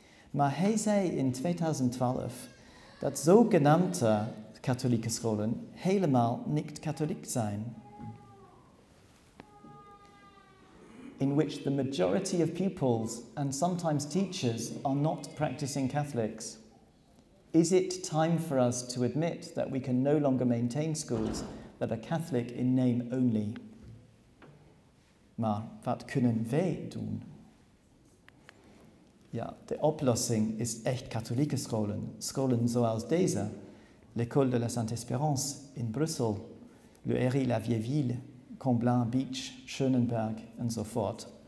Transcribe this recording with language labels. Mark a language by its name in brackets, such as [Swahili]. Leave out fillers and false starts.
[Dutch] Maar hij zei in 2012 dat zogenaamde katholieke scholen helemaal niet katholiek zijn. [English] In which the majority of pupils and sometimes teachers are not practicing Catholics. Is it time for us to admit that we can no longer maintain schools that are Catholic in name only? [Dutch] Maar wat kunnen wij doen? Ja, de oplossing is echt katholieke scholen, scholen zoals deze. L'École de la Sainte-Espérance in Brussel, Le Héry la Vieille Ville, Comblain Beach, Schönenberg en zo voort.